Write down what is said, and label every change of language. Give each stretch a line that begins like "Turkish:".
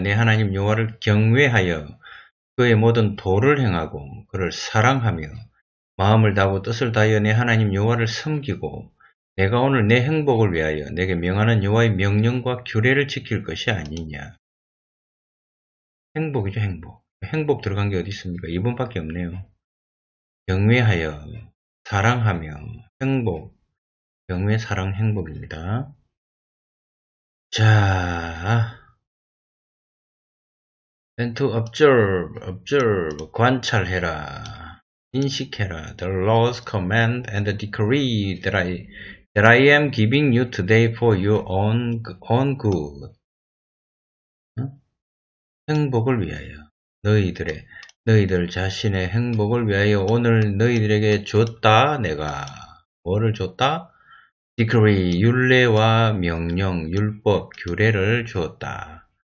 Korean: 내 하나님 여호와를 경외하여 그의 모든 도를 행하고 그를 사랑하며 마음을 다하고 뜻을 다하여 내 하나님 여호와를 섬기고 내가 오늘 내 행복을 위하여 내게 명하는 여호와의 명령과 규례를 지킬 것이 아니냐. 행복이죠. 행복. 행복 들어간 게 어디 있습니까? 이번밖에 없네요. 경외하여, 사랑하며, 행복. 경외, 사랑, 행복입니다.
English: 자, And to observe, observe,
Korean: 관찰해라, 인식해라,
English: the Lord's command and the decree that I am giving you today for your own good.
Korean: 행복을 위하여, 너희들 자신의 행복을 위하여 오늘 너희들에게 줬다, 내가. 뭐를 줬다? decree, 율례와 명령, 율법, 규례를 주었다.